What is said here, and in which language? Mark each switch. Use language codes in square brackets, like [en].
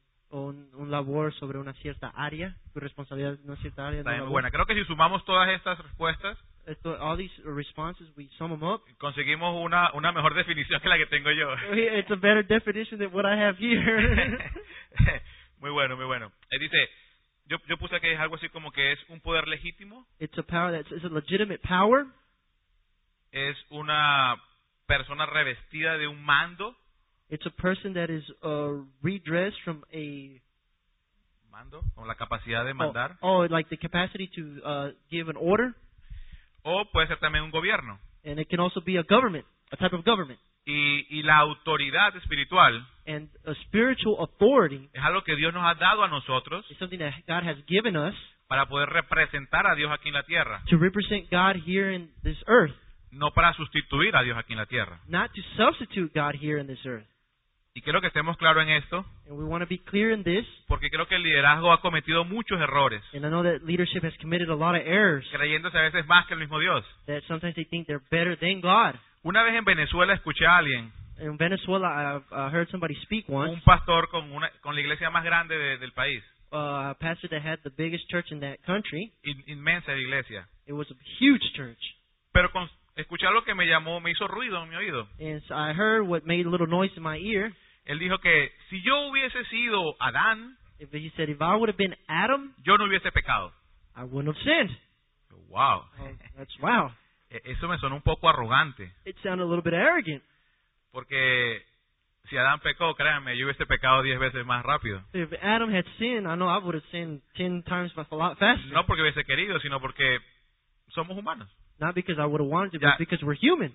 [es] Un labor sobre una cierta área, tu responsabilidad en una cierta área. Está muy buena. Creo que si sumamos todas estas respuestas, [en] all these responses, we sum them up, [es] conseguimos una mejor definición que la que tengo yo. [en] It's a better definition than what I have here. [es] Muy bueno, muy bueno. Dice, yo puse que es algo así como que es un poder legítimo. [en] It's a power that's a legitimate power. [es] Es una persona revestida de un mando. [en] It's a person that is redressed from a [es] mando, con la capacidad de mandar. [en] Like the capacity to give an order. [es] O puede ser también un gobierno. [en] And it can also be a government, a type of government. [es] Y la autoridad espiritual. [en] And a spiritual authority. [es] Es algo que Dios nos ha dado a nosotros. [en] It's something that God has given us. [es] Para poder representar a Dios aquí en la tierra. [en] To represent God here in this earth. [es] No para sustituir a Dios aquí en la tierra. [en] Not to substitute God here in this earth. [es] Y quiero que estemos claros en esto. [en] And we want to be clear in this. [es] Porque creo que el liderazgo ha cometido muchos errores. [en] And I know that leadership has committed a lot of errors. [es] Creyéndose a veces más que el mismo Dios. [en] That sometimes they think they're better than God. [es] Una vez en Venezuela escuché a alguien. [en] In Venezuela I heard somebody speak once. [es] Un pastor con la iglesia más grande del país. [en] A pastor that had the biggest church in that country. [es] Inmensa iglesia. [en] It was a huge church. [es] Pero con escuchar lo que me llamó, me hizo ruido en mi oído. [en] And so I heard what made a little noise in my ear. [es] Él dijo que si yo hubiese sido Adán, [en] if he said, if I would have been Adam, [es] yo no hubiese pecado. [en] I wouldn't have sinned. Wow. That's wow. [es] Eso me sonó un poco arrogante. [en] It sounded a little bit arrogant. [es] Porque si Adán pecó, créanme, yo hubiese pecado 10 veces más rápido. [en] If Adam had sinned, I know I would have sinned 10 times a lot faster. [es] No porque hubiese querido, sino porque somos humanos. [en] Not because I would have wanted to, but because we're human.